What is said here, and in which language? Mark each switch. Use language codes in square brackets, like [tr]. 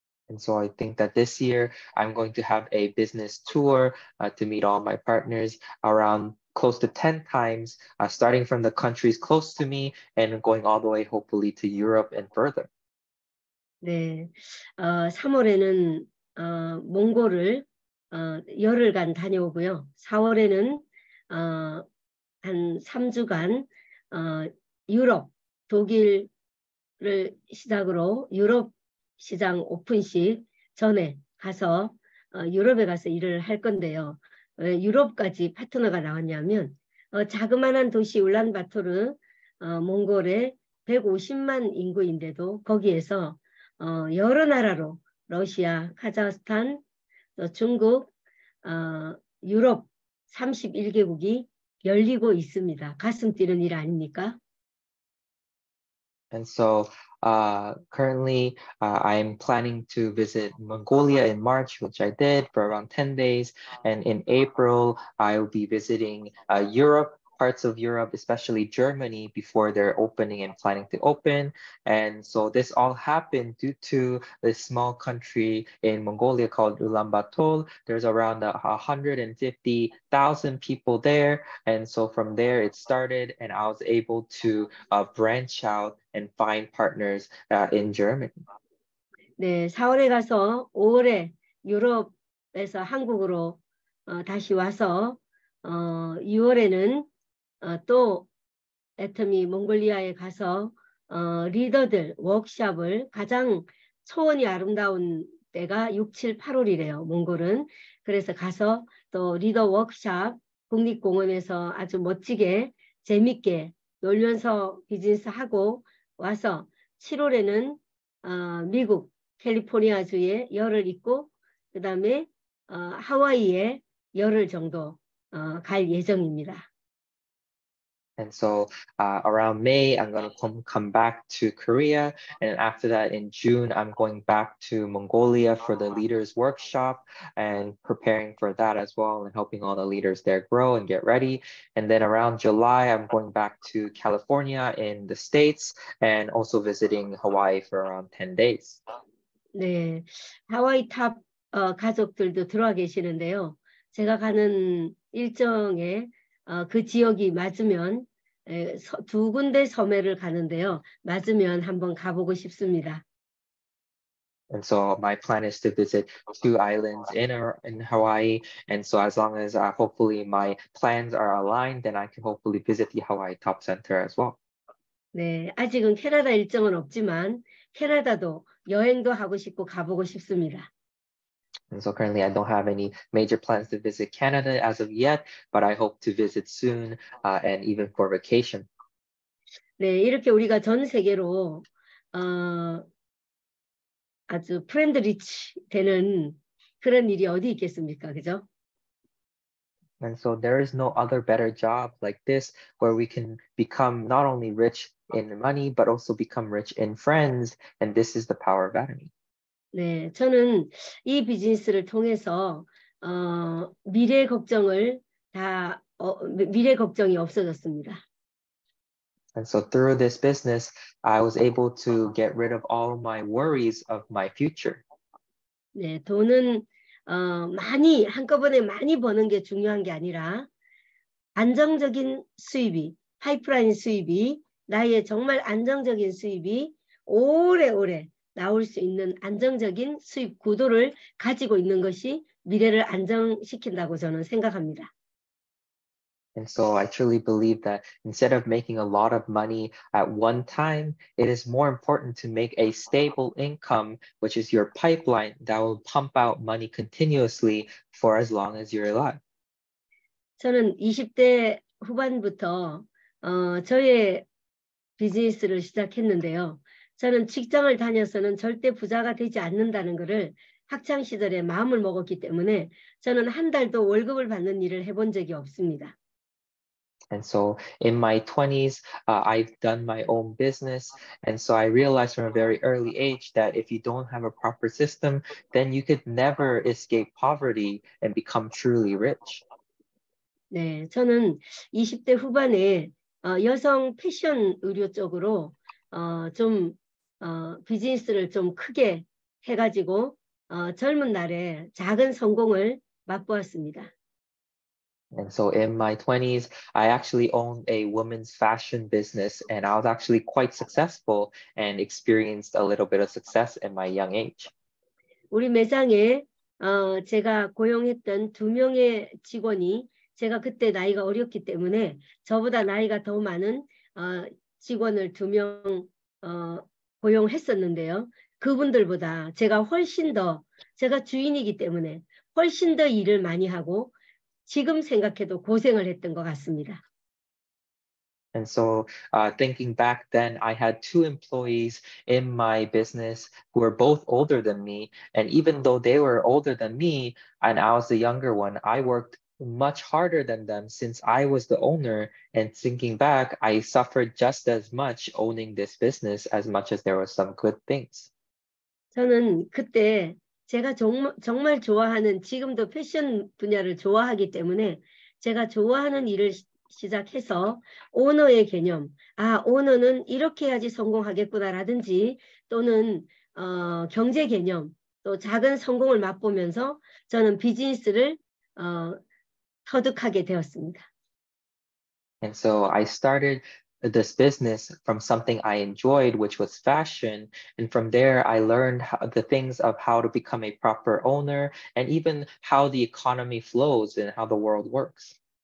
[en] And so I think that this year I'm going to have a business tour to meet all my partners around close to 10 times, starting from the countries close to me and going all the way hopefully to Europe and further. [ko] 네, 3월에는 몽골을 열흘간 다녀오고요. 4월에는 한 3주간 유럽, 독일을 시작으로 유럽 시장 오픈식 전에 가서 유럽에 가서 일을 할 건데요. 왜 유럽까지 파트너가 나왔냐면 자그마한 도시 울란바토르 몽골의 150만 인구인데도 거기에서 여러 나라로 러시아, 카자흐스탄, 또 중국, 유럽 31개국이 열리고 있습니다. 가슴 뛰는 일 아닙니까? [en] And so currently, I'm planning to visit Mongolia in March, which I did for around 10 days. And in April, I will be visiting Europe, parts of Europe, especially Germany, before they're opening and planning to open. And so this all happened due to this small country in Mongolia called Ulaanbaatar. There's around 150,000 people there. And so from there, it started and I was able to branch out and find partners in Germany. [ko] 네, 4월에 가서 5월에 유럽에서 한국으로 다시 와서 6월에는 또 애터미 몽골리아에 가서 리더들 워크샵을 가장 초원이 아름다운 때가 6, 7, 8월이래요. 몽골은. 그래서 가서 또 리더 워크샵 국립공원에서 아주 멋지게 재밌게 놀면서 비즈니스 하고 와서 7월에는 미국 캘리포니아주에 열흘 있고 그 다음에 하와이에 열흘 정도 갈 예정입니다. [en] And so around May, I'm going to come back to Korea. And after that, in June, I'm going back to Mongolia for the leaders workshop and preparing for that as well and helping all the leaders there grow and get ready. And then around July, I'm going back to California in the States and also visiting Hawaii for around 10 days. [ko] 네, 하와이 탑 가족들도 들어와 계시는데요. 제가 가는 일정에 그 지역이 맞으면 두 군데 섬에를 가는데요. 맞으면 한번 가보고 싶습니다. [en] And so my plan is to visit two islands in Hawaii. And so as long as hopefully my plans are aligned, then I can hopefully visit the Hawaii Top Center as well. [ko] 네, 아직은 캐나다 일정은 없지만 캐나다도 여행도 하고 싶고 가보고 싶습니다. [en] And so currently I don't have any major plans to visit Canada as of yet, but I hope to visit soon and even for vacation. [ko] 네, 이렇게 우리가 전 세계로 아주 프렌드 리치 되는 그런 일이 어디 있겠습니까? 그죠? [en] And so there is no other better job like this where we can become not only rich in money but also become rich in friends, and this is the power of Atomy. [ko] 네, 저는 이 비즈니스를 통해서 미래 걱정을 다 미래 걱정이 없어졌습니다. [en] And so through this business, I was able to get rid of all my worries of my future. [ko] 네, 돈은 많이 한꺼번에 많이 버는 게 중요한 게 아니라 안정적인 수입이 파이프라인 수입이 나의 정말 안정적인 수입이 오래오래 나올 수 있는 안정적인 수입 구도를 가지고 있는 것이 미래를 안정시킨다고 저는 생각합니다. [en] And so I truly believe that instead of making a lot of money at one time, it is more important to make a stable income, which is your pipeline that will pump out money continuously for as long as you're alive. [ko] 저는 20대 후반부터 저의 비즈니스를 시작했는데요. 저는 직장을 다녀서는 절대 부자가 되지 않는다는 것을 학창 시절에 마음을 먹었기 때문에 저는 한 달도 월급을 받는 일을 해본 적이 없습니다. [en] And so in my 20s, I've done my own business. And so I realized from a very early age that if you don't have a proper system, then you could never escape poverty and become truly rich. [ko] 네, 저는 20대 후반에 여성 패션 의류 쪽으로 좀 비즈니스를 좀 크게 해가지고 젊은 날에 작은 성공을 맛보았습니다. [en] And so in my 20s, I actually owned a women's fashion business and I was actually quite successful and experienced a little bit of success in my young age. [ko] 우리 매장에 제가 고용했던 두 명의 직원이 제가 그때 나이가 어렸기 때문에 저보다 나이가 더 많은 직원을 두 명 고용했었는데요. 그분들보다 제가 훨씬 더 제가 주인이기 때문에 훨씬 더 일을 많이 하고 지금 생각해도 고생을 했던 것 같습니다. [en] And so thinking back then, I had two employees in my business who were both older than me. And even though they were older than me, and I was the younger one, I worked much harder than them since I was the owner. And thinking back, I suffered just as much owning this business as much as there were some good things. [ko] 저는 그때 제가 정말 좋아하는 지금도 패션 분야를 좋아하기 때문에 제가 좋아하는 일을 시작해서 오너의 개념, 아 오너는 이렇게 해야지 성공하겠구나라든지 또는 경제 개념, 또 작은 성공을 맛보면서 저는 비즈니스를 터득하게 되었습니다. [en] And so I started this business from something I enjoyed, which was fashion. And from there, I learned the things of how to become a proper owner and even how the economy flows and how the world works.